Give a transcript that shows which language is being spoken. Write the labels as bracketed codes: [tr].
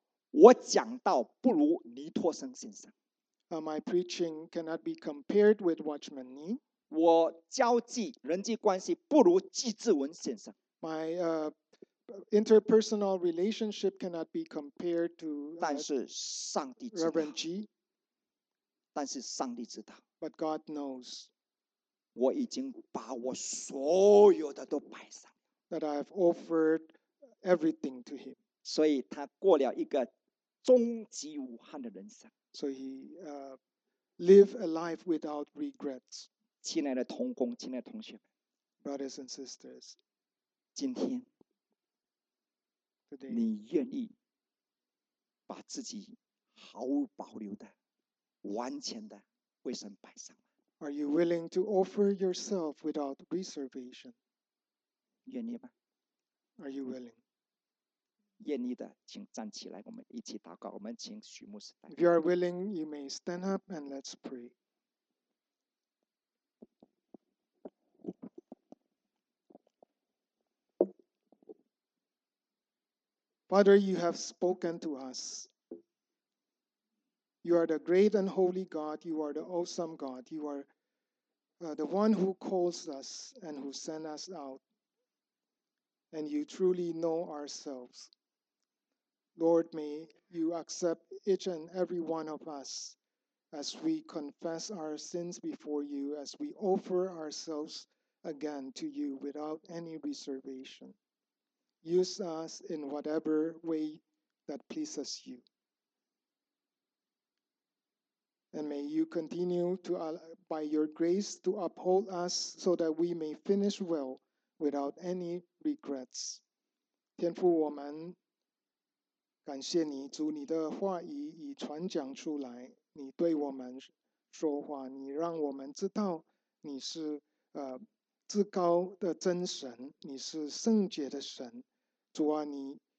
[zh] 我讲道不如尼托生先生。 [en] My preaching cannot be compared with Watchman Nee. [zh] 我交际人际关系不如季志文先生。 [en] My interpersonal relationship cannot be compared to. [zh] 但是上帝知道。 [en] Reverend G. [zh] 但是上帝知道。 [en] But God knows. [zh] 我已经把我所有的都摆上。 [en] That I have offered everything to him. [zh] 所以他过了一个终极无憾的人生。 [en] So he lived a life without regrets. [zh] 亲爱的同工，亲爱的同学们 [en] ，brothers and sisters， [zh] 今天 [en] ，today， [zh] 你愿意把自己毫无保留的、完全的为神摆上？ [en] Are you willing to offer yourself without reservation? [zh] 愿意吗 [en] ？Are you willing? [zh] 愿意的，请站起来，我们一起祷告。我们请许牧师代表。 [en] If you are willing, you may stand up and let's pray. 。Father, you have spoken to us. You are the great and holy God. You are the awesome God. You are the one who calls us and who sent us out. And you truly know ourselves. Lord, may you accept each and every one of us as we confess our sins before you, as we offer ourselves again to you without any reservation. Use us in whatever way that pleases you. And may you continue to by your grace to uphold us so that we may finish well without any regrets. [zh] 天父，我们感谢你，主，你的话语已传讲出来，你对我们说话，你让我们知道你是至高的真神，你是圣洁的神。主啊，你